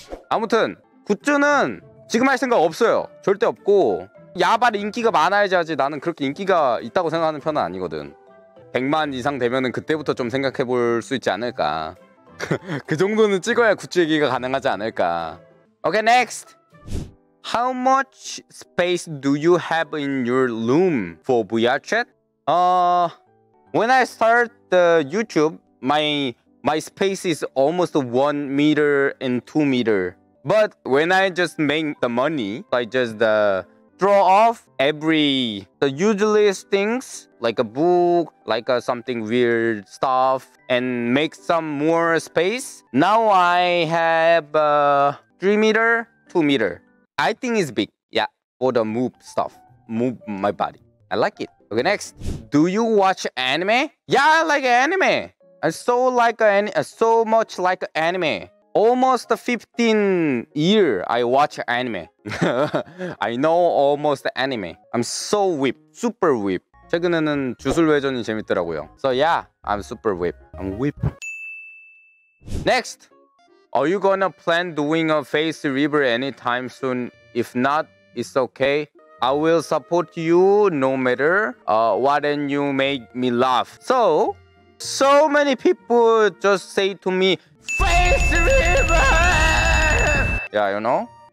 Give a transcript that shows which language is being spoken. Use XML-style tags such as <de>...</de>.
<ko>아무튼 굿즈는 지금 할 생각 없어요. 절대 없고 야발이 인기가 많아야지. 나는 그렇게 인기가 있다고 생각하는 편은 아니거든. 100만 이상 되면은 그때부터 좀 생각해 볼 수 있지 않을까. 그 정도는 찍어야 굿즈 얘기가 가능하지 않을까.</ko> <en>Okay, next. How much space do you have in your room for VR chat? When I start the YouTube, my space is almost 1 meter and 2 meter. But when I just make the money, I just throw off the useless things, like a book, like something weird stuff, and make some more space. Now I have 3 meter, 2 meter. I think it's big. Yeah, for the move stuff. Move my body. I like it. Okay, next. Do you watch anime? Yeah, I like anime. I so much like anime. Almost 15 years I watch anime. I know almost anime. I'm so whip. Super whip.</en> <ko>최근에는 주술회전이 재밌더라고요.</ko> <en>So yeah, I'm super whip. I'm whip. Next. Are you gonna plan doing a face reveal anytime soon? If not, it's okay. I will support you no matter what, and you make me laugh. So many people just say to me, face reveal! Yeah, you know?</en>